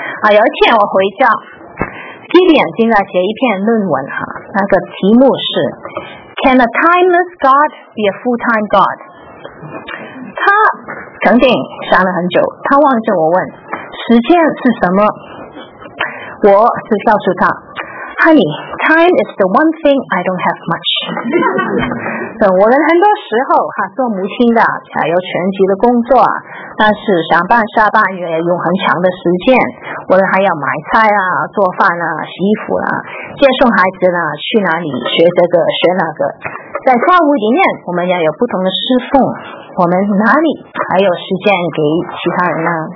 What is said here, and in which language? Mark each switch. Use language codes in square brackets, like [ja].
[zh] 有一天我回家，基本正在写一篇论文，那个题目是 [en] Can a timeless God be a full-time God？ [zh] 他曾经想了很久，他望着我问时间是什么。我是告诉他 [en] Honey, time is the one thing I don't have much。 [zh] 我们很多时候做母亲的有全职的工作，但是上班下班也有很长的时间，我们还要买菜啊、做饭啊、洗衣服啊、接送孩子啊、去哪里学这个学那个。在教会里面我们要有不同的侍奉，我们哪里还有时间给其他人呢？